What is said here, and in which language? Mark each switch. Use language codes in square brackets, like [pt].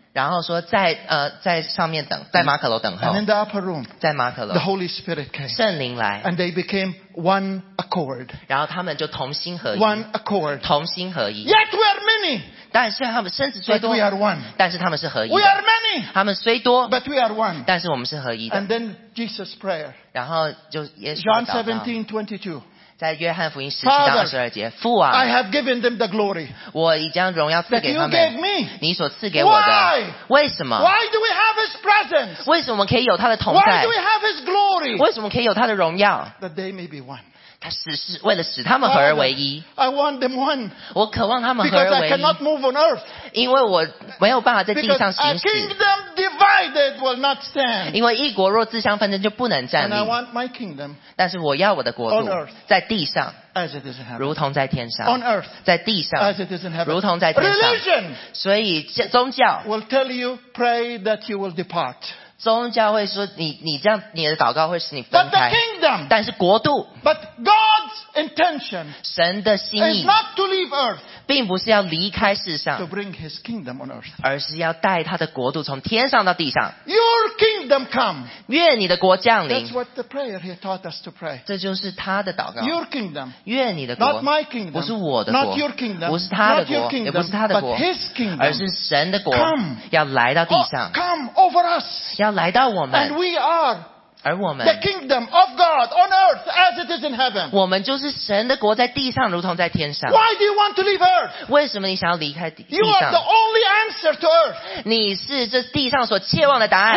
[zh] 然后说在上面等，在马可楼等候。 [en] And in the upper room, [zh] 在马可楼。 [en] The Holy Spirit came. [zh] 圣灵来。 [en] And they became one accord. [zh] 然后他们就同心合一。 [en] One accord. [zh] 同心合一。 [en] Yet we are many. [zh] 但是他们甚至虽多。 [en] But we are one. [zh] 但是他们是合一的。 [en] We are many. [zh] 他们虽多。 [en] But we are one. [zh] 但是我们是合一的。 [en] And then Jesus' prayer. [zh] 然后就耶稣祷告。 [en] John 17:22. [zh] 在约翰福音十七章二十二节，父啊， [en] I have given them the glory, [zh] 我已将荣耀赐给他们。 [en] That you gave me. [zh] 你所赐给我的， [en] Why? [zh] 为什么？ [en] Why do we have his presence? [zh] 为什么我们可以有他的同在？ [en] Why do we have his glory? [zh] 为什么可以有他的荣耀？ [en] That they may be one. [zh] 他只是为了使他们合而为一。 [en] I want them one. [zh] 我渴望他们合而为一。 [en] Because I cannot move on earth. [zh] 因为我没有办法在地上行 [en] 事。Because a kingdom divided will not stand. [zh] 因为一国若自相纷争，就不能站立。 [en] And I want my kingdom. [zh] 但是我要我的国度。 [en] On earth. [zh] 在地上。 [en] As it is in heaven. [zh] 如同在天上。 [en] On earth. [zh] 在地上。 [en] As it is in heaven. [zh] 如同在天上。 [en] Religion. [zh] 所以宗教。 [en] Will tell you pray that you will depart. [zh] 宗教会说你这样你的祷告会使你分开 [en] kingdom, [zh] 但是国度 [en] but God's intention [zh] 神的心意 [en] is not to leave earth, [zh] 并不是要离开世上 [en] to bring his kingdom on earth. [zh] 而是要带他的国度从天上到地上 [en] Your kingdom come. [zh] 愿你的国降临 [en] That's what the prayer he taught us to pray. [zh] 这就是他的祷告 [en] Your kingdom, [zh] 愿你的国 [en] not my kingdom, [zh] 不是我的国 [en] not your kingdom, [zh] 不是他的国 [en] not your kingdom, [zh] 也不是他的国 [en] but his kingdom, [zh] 而是神的国 [en] come, [zh] 要来到地上 [en] come over us. [zh] 要来到我们 [en] and we are [zh] 而我们 [en] the kingdom of God on earth as it is in heaven [zh] 我们就是神的国在地上如同在天上 [en] why do you want to leave earth [zh] 为什么你想要离开地上 [en] you are the only answer to earth [zh] 你是这地上所切望的答案